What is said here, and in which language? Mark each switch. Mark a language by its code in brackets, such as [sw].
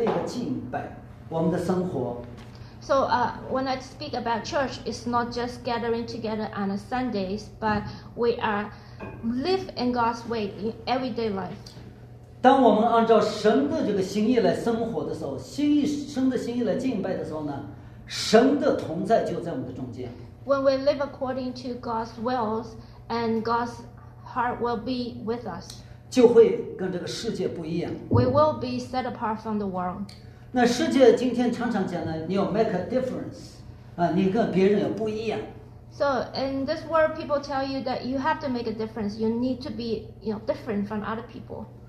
[zh] 那我讲的教会呢，不仅仅是主日的聚会，而是我们这个群体聚在一起，对神的一个敬拜，我们的生活。 [en] So when I speak about church, it's not just gathering together on Sundays, but we are live in God's way in everyday life. [zh] 当我们按照神的这个心意来生活的时候，心意，神的心意来敬拜的时候呢？神的同在就在我们的中间。 [en] When we live according to God's wills, and God's heart will be with us, [zh] 就会跟这个世界不一样。 [en] We will be set apart from the world. [zh] 那世界今天常常讲呢， 你要 [en] make a difference， [zh] 你跟别人要不一样。 [en] So in this world, people tell you that you have to make a difference. You need to be, you know, different from other people.